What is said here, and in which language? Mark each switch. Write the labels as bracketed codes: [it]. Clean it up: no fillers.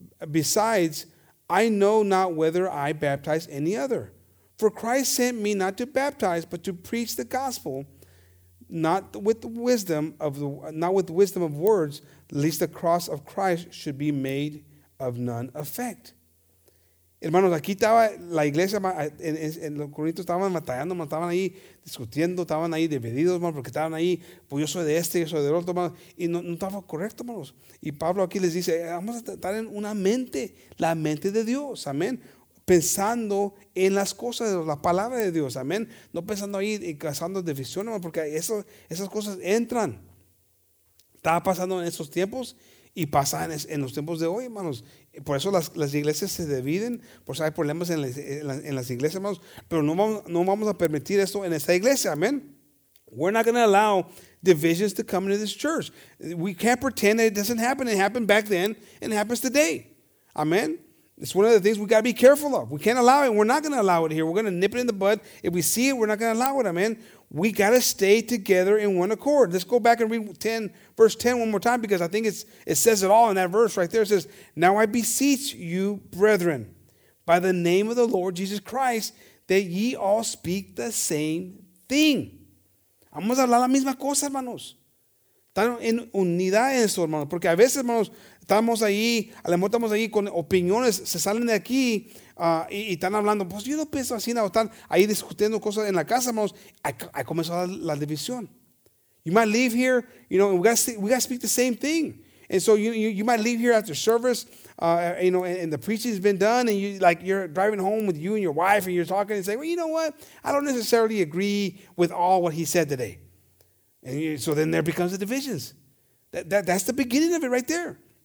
[en] Besides, I know not whether I baptize any other. For Christ sent me not to baptize, but to preach the gospel, not with wisdom of words, lest the cross of Christ should be made of none effect." [es] Hermanos, aquí estaba la iglesia, en los corintios estaban matallando, estaban ahí discutiendo, estaban ahí divididos, hermanos, porque estaban ahí, pues yo soy de este, yo soy del otro, hermanos, y no estaba correcto, hermanos. Y Pablo aquí les dice, vamos a estar en una mente, la mente de Dios, amén, pensando en las cosas, la palabra de Dios, amén, no pensando ahí y causando división, hermanos, porque esas cosas entran. Estaba pasando en esos tiempos y pasa en los tiempos de hoy, hermanos. Por eso las iglesias se dividen, por eso hay problemas en las iglesias, hermanos. Pero no vamos a permitir esto en esta iglesia, amen. [en] We're not going to allow divisions to come into this church. We can't pretend that it doesn't happen. It happened back then and it happens today. Amen. It's one of the things we got to be careful of. We can't allow it. We're not going to allow it here. We're going to nip it in the bud. If we see it, we're not going to allow it, amen. We got to stay together in one accord. Let's go back and read 10, verse 10 one more time, because I think it says it all in that verse right there. It says, "Now I beseech you, brethren, by the name of the Lord Jesus Christ, that ye all speak the same thing." [es] Vamos a hablar la misma cosa, hermanos. Están en unidad en esto, hermanos. Porque a veces, hermanos, estamos ahí, a lo mejor estamos ahí con opiniones, se salen de aquí, y están hablando, pues yo no pienso así, o están ahí discutiendo cosas en la casa, hermanos, ahí comenzó la división. [en] You might leave here, you know, we got to speak the same thing. And so you might leave here after service, you know, and the preaching has been done, and you're driving home with you and your wife, and you're talking and saying, well, you know what, I don't necessarily agree with all what he said today. And so then there becomes the divisions. That's the beginning of it right there.